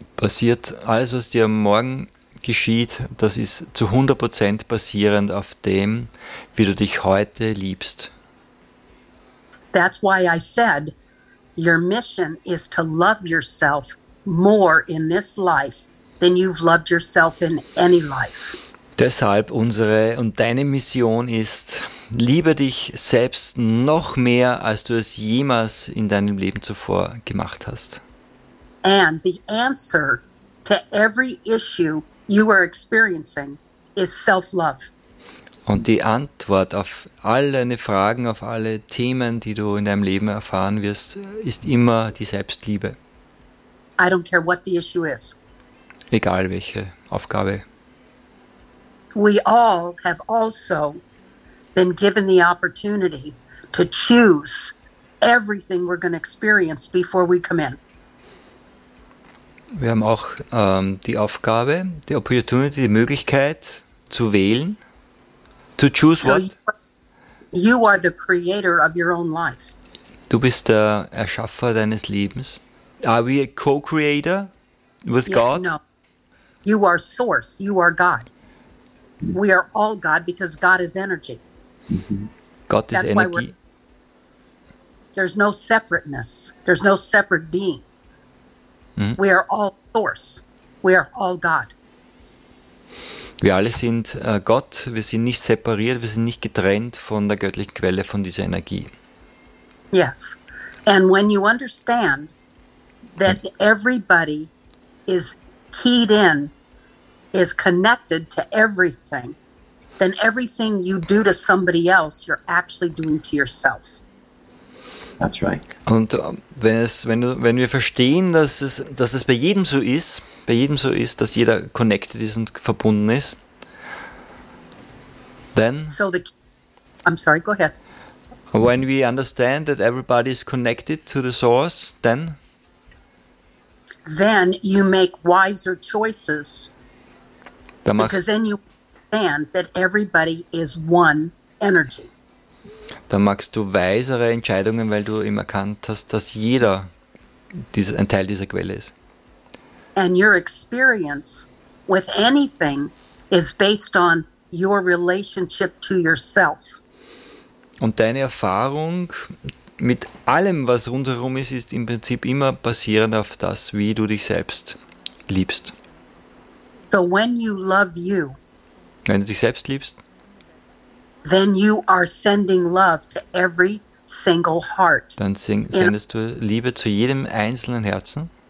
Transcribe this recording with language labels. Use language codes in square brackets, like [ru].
[de] Basiert alles, was dir morgen geschieht, das ist zu 100% basierend auf dem, wie du dich heute liebst. [en] That's why I said your mission is to love yourself more in this life than you've loved yourself in any life. [de] Deshalb unsere und deine Mission ist, liebe dich selbst noch mehr, als du es jemals in deinem Leben zuvor gemacht hast. [en] And the answer to every issue you are experiencing is self-love. [de] Und die Antwort auf all deine Fragen, auf alle Themen, die du in deinem Leben erfahren wirst, ist immer die Selbstliebe. [en] I don't care what the issue is. [de] Egal welche Aufgabe. [en] We all have also been given the opportunity to choose everything we're going to experience before we come in. [de] Wir haben auch die Aufgabe, die Opportunity, die Möglichkeit zu wählen. [en] To choose what? You are the creator of your own life. [de] Du bist der Erschaffer deines Lebens. [en] Are we a co-creator with God? No. You are source. You are God. We are all God because God is energy. Mm-hmm. God is energy. There's no separateness. There's no separate being. Mm-hmm. We are all source. We are all God. [de] Wir alle sind Gott, wir sind nicht separiert, wir sind nicht getrennt von der göttlichen Quelle, von dieser Energie. [en] Yes. And when you understand that everybody is keyed in, is connected to everything, then everything you do to somebody else, you're actually doing to yourself. That's right. [de] Und wenn es, wenn wir verstehen, dass es bei jedem so ist, dass jeder connected ist und verbunden ist, then. [en] So the, I'm sorry. Go ahead. When we understand that everybody is connected to the source, then. Then you make wiser choices. [de] Dann [en] because then you understand that everybody is one energy. [de] Dann machst du weisere Entscheidungen, weil du eben erkannt hast, dass jeder ein Teil dieser Quelle ist. [en] And your experience with anything is based on your relationship to yourself. [de] Und deine Erfahrung mit allem, was rundherum ist, ist im Prinzip immer basierend auf das, wie du dich selbst liebst. [en] So when you love you, [de] wenn du dich selbst liebst, [en] then you are sending love to every single heart. [de] Dann sendest du Liebe zu jedem einzelnen Herzen.